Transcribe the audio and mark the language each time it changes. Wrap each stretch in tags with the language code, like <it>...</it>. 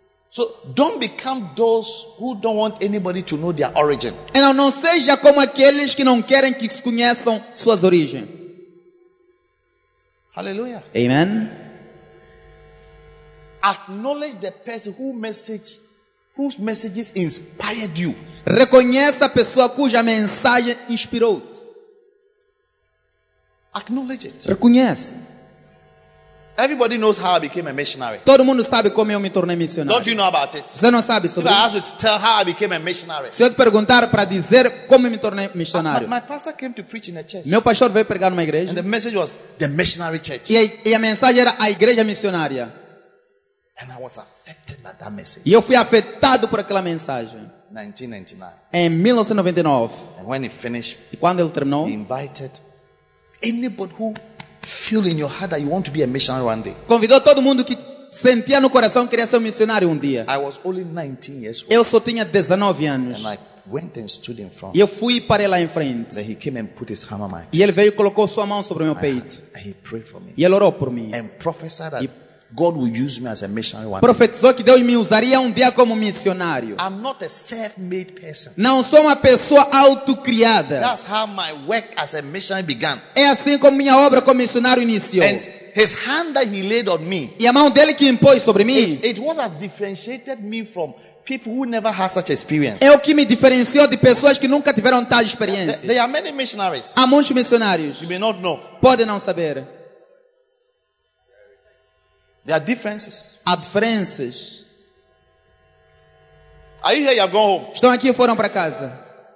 <en>So don't become those who don't want anybody to know their origin.</en> <pt>Então não seja como aqueles que não querem que se conheçam suas origens.</pt> <en>Hallelujah. Amen. Acknowledge the person whose messages inspired you.</en> <pt>Reconheça a pessoa cuja mensagem inspirou-te.</pt> <en>Acknowledge it.</en> <pt>Reconhece.</pt> <en>Everybody knows how I became a missionary.</en> <pt>Todo mundo sabe como eu me tornei missionário.</pt> <en>Don't you know about it?</en> <pt>Você não sabe sobre isso?</pt> <en>If I ask you to tell how I became a missionary.</en> <pt>Se eu te perguntar para dizer como eu me tornei missionário.</pt> <en>My pastor came to preach in a church.</en> <pt>Meu pastor veio pregar numa igreja.</pt> <en>And the message was the missionary church.</en> <pt>E a mensagem era a igreja missionária.</pt> <en>And I was affected by that message.</en> <pt>E eu fui afetado por aquela mensagem.</pt> <en>1999.</en> <pt>Em 1999.</pt> <en>And when he finished.</en> <pt>E quando ele terminou.</pt> <en>He invited anybody who feel in your heart that you want to be a missionary one day.</en> <pt>Convidou todo mundo que sentia no coração que queria ser um missionário um dia.</pt> <en>I was only 19 years old.</en> <pt>Eu só tinha 19 anos.</pt> <en>And I went and stood in front.</en> <pt>E eu fui para lá em frente.</pt> <en>Then he came and put his hand on my chest.</en> <pt>E ele veio e colocou sua mão sobre o meu peito.</pt> <en>And he prayed for me.</en> <pt>E ele orou por mim.</pt> <en>And prophesied that God will use me as a missionary one.</en> <pt>Profetizou que Deus me usaria um dia como missionário.</pt> <en>I'm not a self-made person.</en> <pt>Não sou uma pessoa autocriada.</pt> <en>That's how my work as a missionary began.</en> <pt>É assim como minha obra como missionário iniciou.</pt> <en>And his hand that he laid on me.</en> <pt>E a mão dele que impôs sobre mim.</pt> <en>It was what differentiated me from people who never had such experience.</en> <pt>É o que me diferenciou de pessoas que nunca tiveram tal experiência.</pt> <en>There are many missionaries.</en> <pt>Há muitos missionários.</pt> <en>You may not know.</en> <pt>Pode não saber.</pt> <en>There are differences.</en> <pt>Há diferenças.</pt> <en>Aí, hey, I'm going home.</en> <pt>Estão aqui ou foram para casa?</pt>